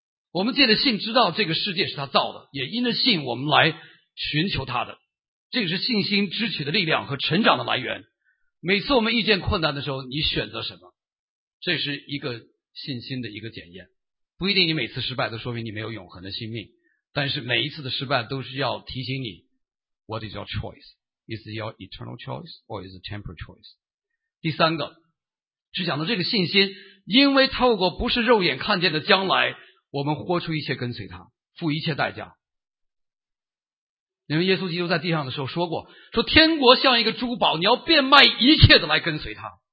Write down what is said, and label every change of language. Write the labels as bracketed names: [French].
[Chinese] 我们借着信知道这个世界是他造的，也因着信我们来寻求他的，这个是信心支取的力量和成长的来源。每次我们遇见困难的时候，你选择什么，这是一个信心的一个检验。不一定你每次失败都说明你没有永恒的性命，但是每一次的失败都是要提醒你 [English] What is your choice? Is it your eternal choice or is it temporary choice? [Chinese] 第三个是讲到这个信心，因为透过不是肉眼看见的将来，我们豁出一切跟随他，付一切代价。因为耶稣基督在地上的时候说过，说天国像一个珠宝，你要变卖一切的来跟随他。